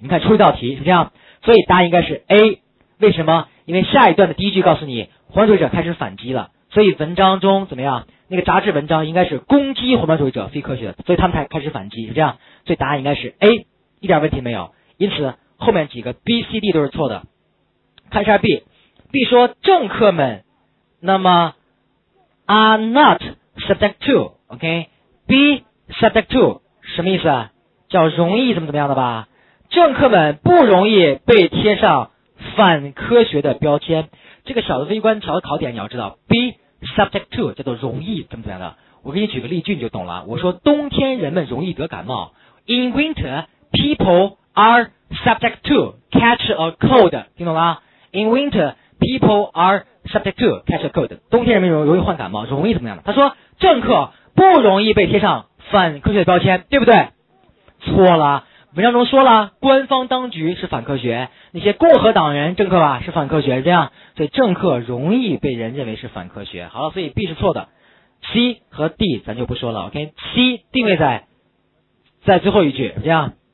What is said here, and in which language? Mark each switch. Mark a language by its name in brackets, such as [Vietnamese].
[Chinese] 你看出一道题，是这样。所以答案应该是 A。为什么？因为下一段的第一句告诉你环保主义者开始反击了，所以文章中怎么样，那个杂志文章应该是攻击环保主义者非科学，所以他们才开始反击，是这样。所以答案应该是 A， 一点问题没有。因此后面几个 BCD 都是错的。看一下 B 说政客们那么 [English] are not subject to [Chinese] OK be subject to 什么意思啊？叫容易怎么怎么样的吧，政客们不容易被贴上反科学的标签。这个小的微观条的考点你要知道， [English] be subject to [Chinese] 叫做容易怎么怎么样的。我给你举个例句你就懂了，我说冬天人们容易得感冒， [English] in winter people are subject to catch a cold， [Chinese] 听懂了？ [English] In winter, people are subject to catch a cold. [Chinese] 冬天人们容易患感冒，容易怎么样的？他说，政客不容易被贴上反科学的标签，对不对？错了，文章中说了，官方当局是反科学，那些共和党人政客吧是反科学，是这样。所以政客容易被人认为是反科学。好了，所以 B 是错的 ，C 和 D 咱就不说了。OK， C 定位在最后一句，是这样。